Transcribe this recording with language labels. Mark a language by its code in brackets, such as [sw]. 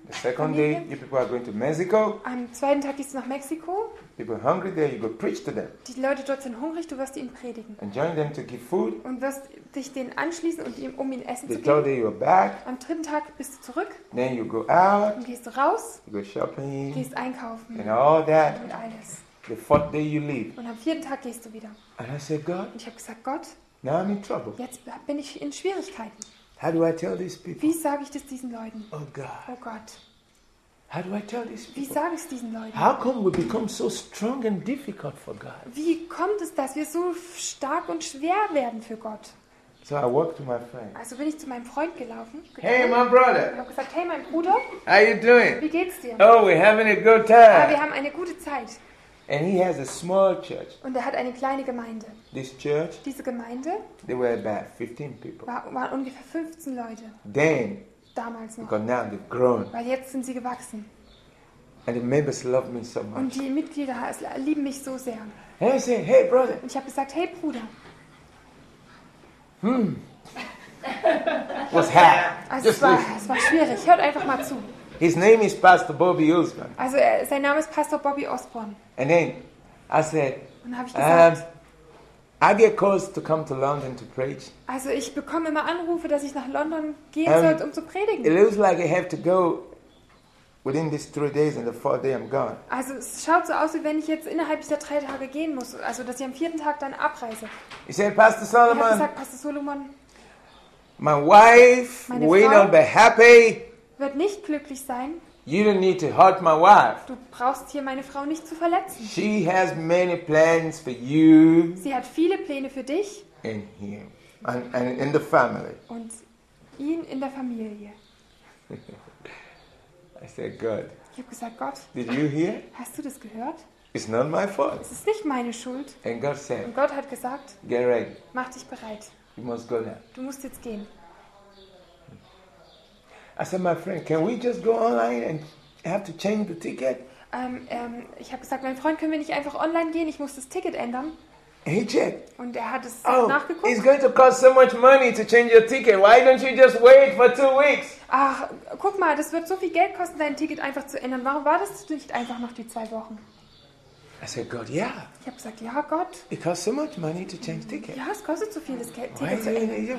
[en] The second day you people are going to Mexico. [de] Am zweiten Tag gehst du nach Mexiko. [en] People are hungry there, you go preach to them. [de] Die Leute dort sind hungrig, du wirst ihnen predigen. [en] And join them to give food. [de] Und wirst dich denen anschließen, und um ihnen Essen [en] the [de] zu geben. [en] The third day you're back. [de] Am dritten Tag bist du zurück. [en] Then you go out. [de] Und gehst raus. [en] You go shopping. [de] Gehst einkaufen. [en] And all that. [de] Und alles. [en] The fourth day you leave. [de] Und am vierten Tag gehst du wieder. [en] And I said, God. [de] Und ich habe gesagt, Gott. [en] Now I'm in trouble. [de] Jetzt bin ich in Schwierigkeiten. [en] How do I tell these people? [de] Wie sage ich das diesen Leuten? [en] Oh God. [de] Oh Gott. [en] How do I tell these people? [de] Wie sage ich es diesen Leuten? [en] How come we become so strong and difficult for God? [de] Wie kommt es, dass wir so stark und schwer werden für Gott? [en] So I walked to my friend. [de] Also bin ich zu meinem Freund gelaufen. [en] Hey, my brother. [de] Ich habe gesagt, hey, mein Bruder. [en] How you doing? [de] Wie geht's dir? [en] Oh, we're having a good time. [de] Wir haben eine gute Zeit. [en] And he has a small church. [de] Und er hat eine kleine Gemeinde. [en] This church. [de] Diese Gemeinde. [en] They were about 15 people. [de] Waren ungefähr 15 Leute. [en] Then. [de] Damals noch. [en] Because now they've grown. [de] Weil jetzt sind sie gewachsen. [en] And the members love me so much. [de] Und die Mitglieder lieben mich so sehr. [en] Hey, say, hey, brother. [de] Und ich habe gesagt, hey, Bruder. Hmm. Was hat? Also es war schwierig. Hört einfach mal zu. [en] His name is Pastor Bobby Osborne. [de] Also sein Name ist Pastor Bobby Osborne. [en] And then I said. [de] Und habe ich gesagt. [en] I get calls to come to London to preach. [de] Also ich bekomme immer Anrufe, dass ich nach London gehen soll, um zu predigen. [en] It looks like I have to go within these 3 days and the fourth day I'm gone. [de] Also es schaut so aus, wie wenn ich jetzt innerhalb dieser 3 Tage gehen muss, also dass ich am 4. Tag dann abreise. [en] He said, Pastor Solomon. [de] Ich sag, Pastor Solomon. [en] My wife will not be happy. [de] Wird nicht glücklich sein. [en] You don't need to hurt my wife. [de] Du brauchst hier meine Frau nicht zu verletzen. [en] She has many plans for you. [de] Sie hat viele Pläne für dich. [en] And him. And in the family. [de] Und ihn in der Familie. [en] I said, God. [de] Ich habe gesagt, Gott. [en] Did you hear? [de] Hast du das gehört? [en] It's not my fault. [de] Es ist nicht meine Schuld. [en] And God said, [de] und Gott hat gesagt, [en] get ready. [de] Mach dich bereit. [en] You must go now. [de] Du musst jetzt gehen. [en] I said, my friend, can we just go online and have to change the ticket? [de] Ich habe gesagt, mein Freund, können wir nicht einfach online gehen? Ich muss das Ticket ändern. [en] He checked. [de] Und er hat es nachgeguckt. [en] Oh, it's going to cost so much money to change your ticket. Why don't you just wait for 2 weeks? [de] Ach, guck mal, das wird so viel Geld kosten, dein Ticket einfach zu ändern. Warum wartest du nicht einfach noch die 2 Wochen? [en] I said, God, yeah. [de] Ich habe gesagt, ja, Gott. [en] It costs so much money to change ticket. [de] Ja, es kostet so viel, das Geld, Ticket zu ändern.